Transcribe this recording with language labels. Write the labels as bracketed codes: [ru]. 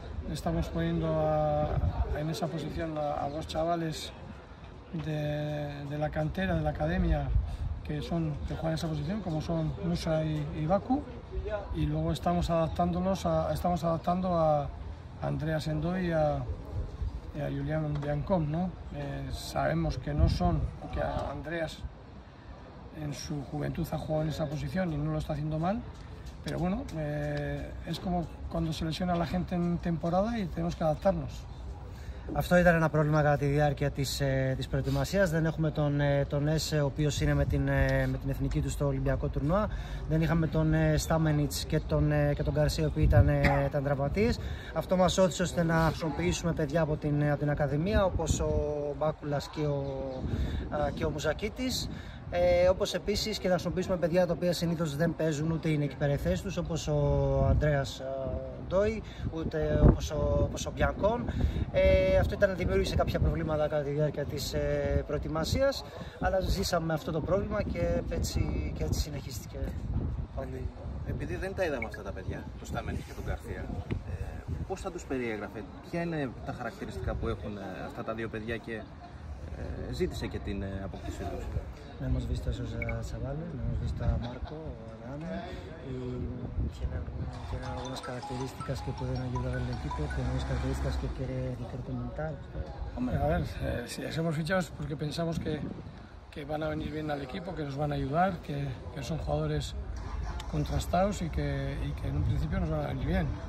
[es] Estamos poniendo en esa posición a dos chavales de la cantera, de la academia, que juegan esa posición, como son Musa y Baku, y luego estamos adaptando a Andreas Endoy y a Julián Biancom, ¿no? Sabemos que no son, que a Andreas en su juventud ha jugado en esa posición y no lo está haciendo mal, pero bueno, es como cuando se lesiona la gente en temporada y tenemos que adaptarnos. [el] Αυτό ήταν ένα πρόβλημα κατά τη διάρκεια της προετοιμασίας. Δεν έχουμε τον Έσε, ο οποίος είναι με την εθνική του στο Ολυμπιακό τουρνουά. Δεν είχαμε τον Στάμενιτς και τον Γκαρσία, οι οποίοι ήταν τραυματίες. Αυτό μας όθησε ώστε να χρησιμοποιήσουμε παιδιά από την Ακαδημία, όπως ο Μπάκουλας και ο Μουζακίτης. Όπως επίσης και να χρησιμοποιήσουμε παιδιά τα οποία συνήθως δεν παίζουν ούτε είναι εκεί περιθέσεις τους, όπως ο Ανδρέας Ντόι, ούτε όπως ο Μπιανκόν. Αυτό ήταν, δημιούργησε κάποια προβλήματα κατά τη διάρκεια της προετοιμασίας, αλλά ζήσαμε αυτό το πρόβλημα και έτσι συνεχίστηκε. Επειδή δεν τα είδαμε αυτά τα παιδιά, το Στάμενιτς και τον Γκαρθία, πώς θα τους περιέγραφε, ποια είναι τα χαρακτηριστικά που έχουν αυτά τα δύο παιδιά και ζήτησε και την αποκτήσή τους? [es] Hemos visto a esos chavales, hemos visto a Marco, a Dani, y tienen algunas características que pueden ayudar al equipo, tienen unas características que quiere incrementar. Hombre, a ver, si les hemos fichado es porque pensamos que van a venir bien al equipo, que nos van a ayudar, que son jugadores contrastados y que en un principio nos van a venir bien.